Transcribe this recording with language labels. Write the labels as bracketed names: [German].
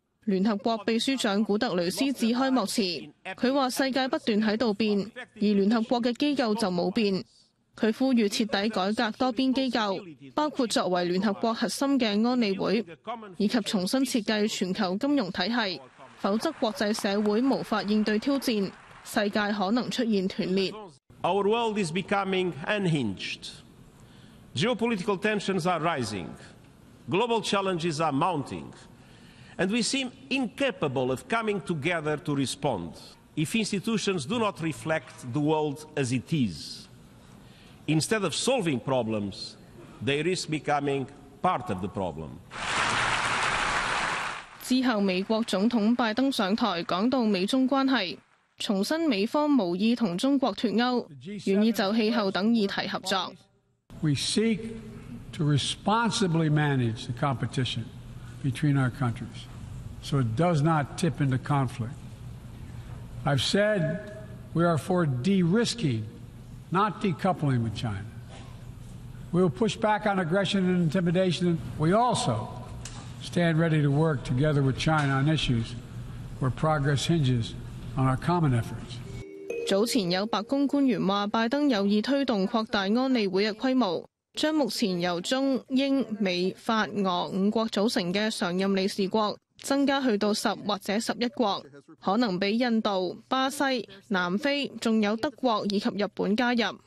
[Chinese] 聯合國秘書長古特雷斯致開幕詞，他說世界不斷在變，而聯合國的機構就沒有變。他呼籲徹底改革多邊機構，包括作為聯合國核心的安理會，以及重新設計全球金融體系，否則國際社會無法應對挑戰，世界可能出現斷裂。 [English] Our world is becoming unhingedGeopolitical tensions are rising, global challenges are mounting, and we seem incapable of coming together to respond if institutions do not reflect the world as it is. Instead of solving problems, they risk becoming part of the problem. [Chinese] 之後美國總統拜登上台講到美中關係，重申美方無意同中國脫歐，願意就氣候等議題合作。 [English] We seek to responsibly manage the competition between our countries so it does not tip into conflict. I've said we are for de-risking, not decoupling with China. We will push back on aggression and intimidation. We also stand ready to work together with China on issues where progress hinges on our common efforts. [Chinese] 早前有白宫官员说拜登有意推动扩大安理会的规模，将目前由中、英、美、法、俄五国组成的常任理事国增加去到10或者11国，可能比印度、巴西、南非还有德国以及日本加入。